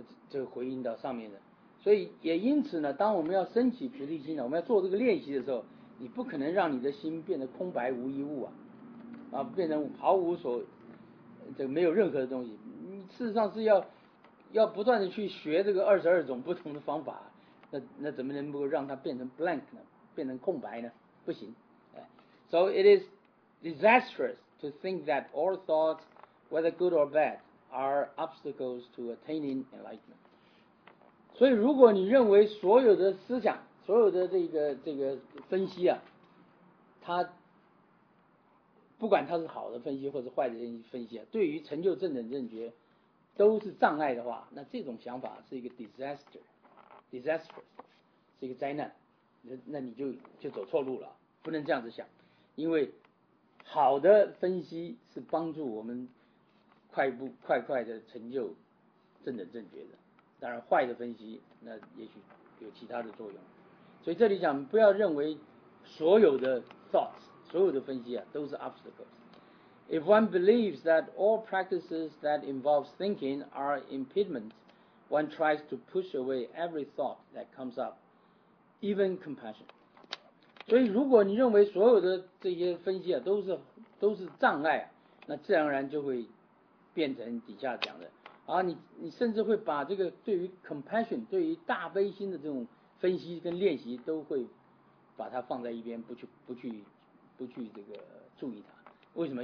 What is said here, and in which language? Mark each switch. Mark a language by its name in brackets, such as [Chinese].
[Chinese] 这回应到上面的，所以也因此呢，当我们要升起菩提心呢，我们要做这个练习的时候，你不可能让你的心变得空白无一物啊，啊，变成毫无所，这没有任何的东西。你事实上是要不断的去学这个22种不同的方法，那怎么能够让它变成 blank 呢？变成空白呢？不行。 [English] So it is disastrous to think that all thoughts, whether good or bad, are obstacles to attaining enlightenment. [Chinese] 所以如果你认为所有的思想所有的这个分析啊，它不管它是好的分析或是坏的分析啊，对于成就正等正觉都是障碍的话，那这种想法是一个 disaster， 是一个灾难，那你就走错路了，不能这样子想，因为好的分析是帮助我们快的成就正等正觉的，当然坏的分析那也许有其他的作用。所以这里讲不要认为所有的 thoughts 所有的分析啊都是 obstacles。 [English] If one believes that all practices that involve thinking are impediments, one tries to push away every thought that comes up, even compassion. [Chinese] 所以如果你认为所有的这些分析啊都是障碍啊，那自然而然就会变成底下讲的啊，你甚至会把这个对于 compassion 对于大悲心的这种分析跟练习都会把它放在一边，不去这个注意它。为什么？